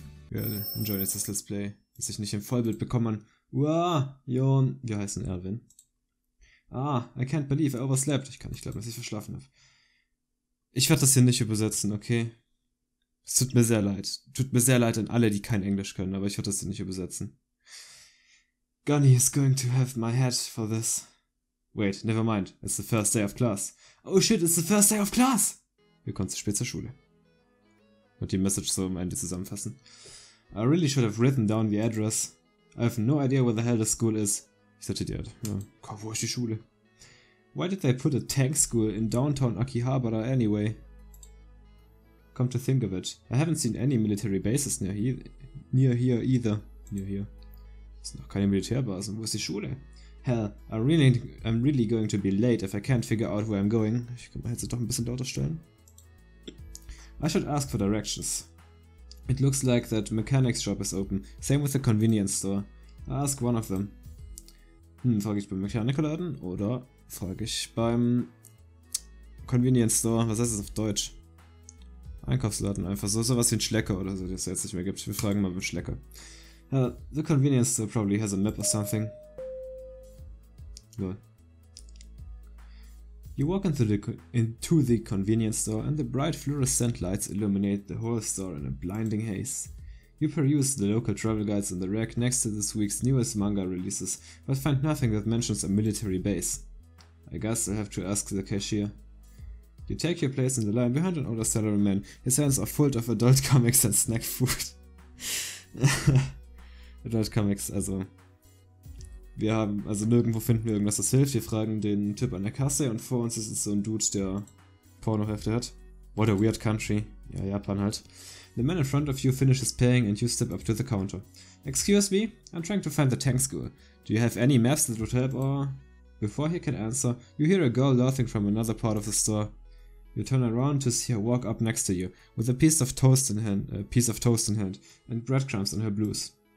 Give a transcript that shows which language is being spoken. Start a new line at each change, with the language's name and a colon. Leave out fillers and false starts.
German: Wir enjoyen jetzt das Let's Play, bis ich nicht im Vollbild bekommen. Uah, Jon, wir heißen Erwin.
English: Ah, I can't believe I overslept.
German: Ich kann nicht glauben, dass ich verschlafen habe. Ich werde das hier nicht übersetzen, okay? Es tut mir sehr leid. Tut mir sehr leid an alle, die kein Englisch können, aber ich werde das hier nicht übersetzen.
English: Gunny is going to have my head for this. Wait, never mind. It's the first day of class. Oh shit, it's the first day of class!
German: Wir kommen zu spät zur Schule. Und die Message so am Ende zusammenfassen.
English: I really should have written down the address. I have no idea where the hell the school is.
German: Ich sagte dir, komm, wo ist die Schule?
English: Why did they put a tank school in downtown Akihabara anyway? Come to think of it, I haven't seen any military bases near here either. Near here.
German: Es sind noch keine Militärbasen. Wo ist die Schule?
English: Hell, I'm really going to be late if I can't figure out where I'm going.
German: Ich kann mal jetzt doch ein bisschen lauter stellen.
English: I should ask for directions. It looks like that mechanics shop is open. Same with the convenience store. Ask one of them.
German: Frage ich beim Mechanikerladen oder frage ich beim Convenience Store? Was heißt das auf Deutsch? Einkaufsladen einfach so. Sowas wie ein Schlecker oder so, das es jetzt nicht mehr gibt. Wir fragen mal beim Schlecker.
English: The Convenience Store probably has a map or something. Lol. You walk into the Convenience Store and the bright fluorescent lights illuminate the whole store in a blinding haze. You peruse the local travel guides on the rack next to this week's newest manga releases, but find nothing that mentions a military base. I guess I'll have to ask the cashier. You take your place in the line behind an older salaryman. His hands are full of adult comics and snack food. Adult Comics, also.
German: Wir haben, also nirgendwo finden wir irgendwas, das hilft. Wir fragen den Typ an der Kasse und vor uns ist so ein Dude, der Pornohefte hat.
English: What a weird country.
German: Ja, Japan halt.
English: The man in front of you finishes paying and you step up to the counter. Excuse me, I'm trying to find the tank school. Do you have any maps that would help or... Before he can answer, you hear a girl laughing from another part of the store. You turn around to see her walk up next to you, with a piece of toast in hand, and breadcrumbs in her blues.